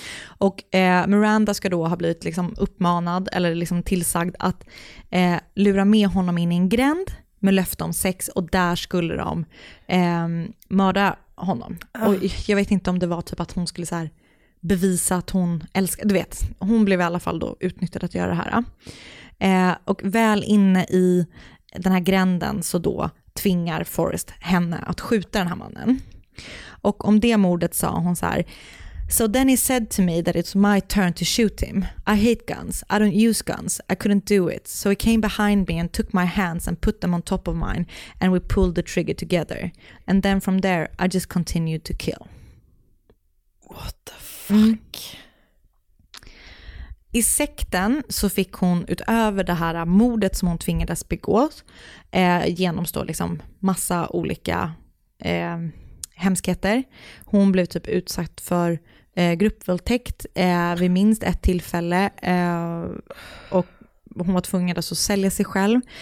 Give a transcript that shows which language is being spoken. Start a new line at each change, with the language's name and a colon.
Swedish: Och Miranda ska då ha blivit liksom uppmanad eller liksom tillsagd att lura med honom in i en gränd med löfte om sex, och där skulle de mörda honom. Och jag vet inte om det var typ att hon skulle så här bevisa att hon älskar, du vet, hon blev i alla fall då utnyttjad att göra det här. Och väl inne i den här gränden så då tvingar Forrest henne att skjuta den här mannen. Och om det mordet sa hon så här:
English: "So then he said to me that it's my turn to shoot him. I hate guns. I don't use guns. I couldn't do it. So he came behind me and took my hands and put them on top of mine and we pulled the trigger together. And then from there I just continued to kill." What the fuck?
Swedish: I sekten så fick hon utöver det här mordet som hon tvingades begå genomstå liksom massa olika hemskheter. Hon blev typ utsatt för gruppvåldtäkt vid minst ett tillfälle, och hon var tvungen att sälja sig själv.